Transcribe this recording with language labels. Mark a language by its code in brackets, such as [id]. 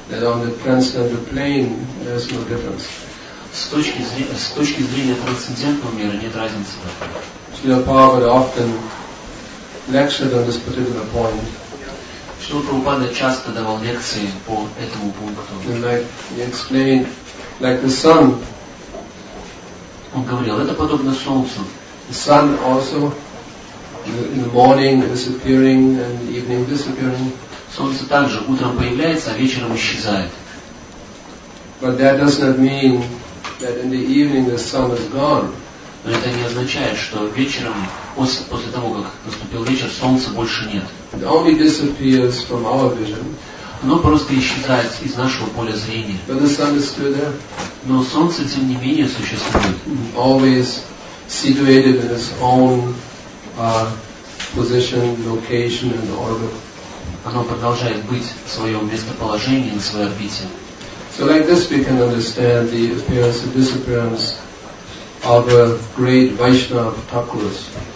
[en] That on the transcendental plane, there's no difference. [ru] С точки зрения трансцендентного мира нет разницы. [en] Srila Prabhupada often lectured on this particular point. [ru] Srila Prabhupada часто давал лекции по этому пункту. [en] And like he explained, like the sun. [ru] Он говорил, это подобно солнцу. [en] The sun also. In the morning disappearing and the evening disappearing. [ru] Солнце также утром появляется, а вечером исчезает. [en] But that does not mean that in the evening the sun is gone. [ru] Но это не означает, что вечером, после того, как наступил вечер, солнца больше нет. [en] It only disappears from our vision. [ru] Оно просто исчезает из нашего поля зрения. [en] But the sun is still there. [ru] Но солнце, тем не менее, существует. [en] Always situated in its own position, location, and orbit. [ru] Оно продолжает быть в своем местоположении, на своей орбите. [en] So like this we can understand the appearance and disappearance of a great Vaishnava Thakuras.